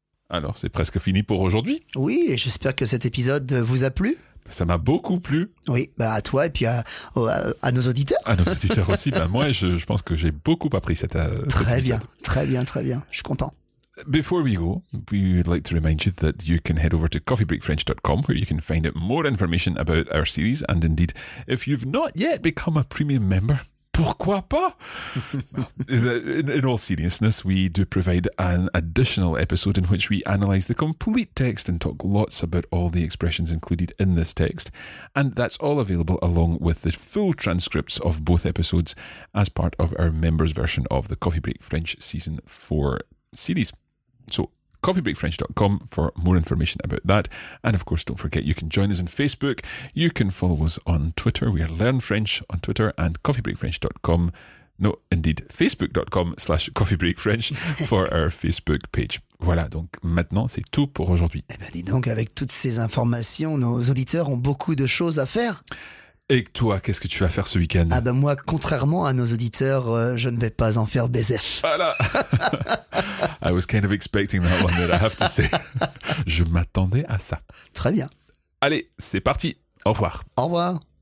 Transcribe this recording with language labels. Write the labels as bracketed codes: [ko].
[fr] Alors, c'est presque fini pour aujourd'hui. Oui, et j'espère que cet épisode vous a plu. Ça m'a beaucoup plu. Oui, bah à toi et puis à nos auditeurs. À nos auditeurs aussi. Bah moi, je pense que j'ai beaucoup appris cette très cette bien, épisode. Très bien. Je suis content. [en] Before we go, we would like to remind you that you can head over to coffeebreakfrench.com where you can find out more information about our series. And indeed, if you've not yet become a premium member, [fr] pourquoi pas? [en] In all seriousness, we do provide an additional episode in which we analyse the complete text and talk lots about all the expressions included in this text. And that's all available along with the full transcripts of both episodes as part of our members' version of the Coffee Break French Season 4 series. So, coffeebreakfrench.com for more information about that. And of course, don't forget, you can join us on Facebook. You can follow us on Twitter. We are Learn French on Twitter and coffeebreakfrench.com. No, indeed, facebook.com/coffeebreakfrench for our Facebook page. [fr] Voilà, donc maintenant, c'est tout pour aujourd'hui. Eh bien, dis donc, avec toutes ces informations, nos auditeurs ont beaucoup de choses à faire. Et toi, qu'est-ce que tu vas faire ce week-end? Ah ben moi, contrairement à nos auditeurs, je ne vais pas en faire baiser. Voilà. [en] I was kind of expecting that one, but I have to say. [fr] Je m'attendais à ça. Très bien. Allez, c'est parti. Au revoir. Au revoir.